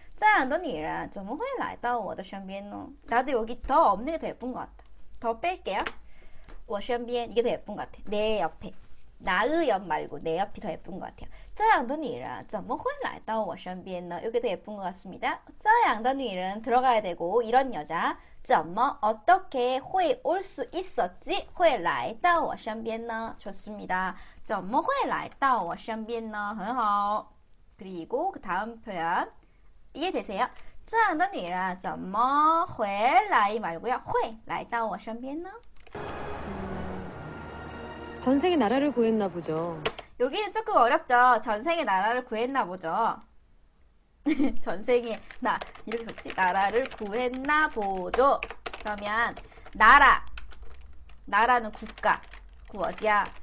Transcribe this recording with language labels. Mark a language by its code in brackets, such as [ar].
[zh] 这样的女人怎么会来到我的身边呢? [ko] 나도 여기 더 없는 게 더 예쁜 것 같다. 더 뺄게요. [zh] 我身边 [ko] 이게 더 예쁜 것 같아. 내 옆에. 나의 옆 말고 내 옆이 더 예쁜 것 같아요. [zh] 这样的女人怎么会来到我身边呢? [ko] 이게 더 예쁜 것 같습니다. [zh] 这样的女人 [ko] 들어가야 되고 이런 여자 怎么어떻게会올수있었지 [zh] 会来到我身边呢? [ko] 좋습니다. [zh] 怎么会来到我身边呢?很好. [ko] 그리고 그 다음 표현 이해되세요? [zh] 这样的女人怎么回来 [ko] 말고요 [zh] 会来到我身边呢? [ko] 전생의 나라를 구했나 보죠. 여기는 조금 어렵죠. 전생의 나라를 구했나 보죠. 전생의 나 이렇게 썼지? 나라를 구했나 보죠. 그러면 나라는 국가 구어지야.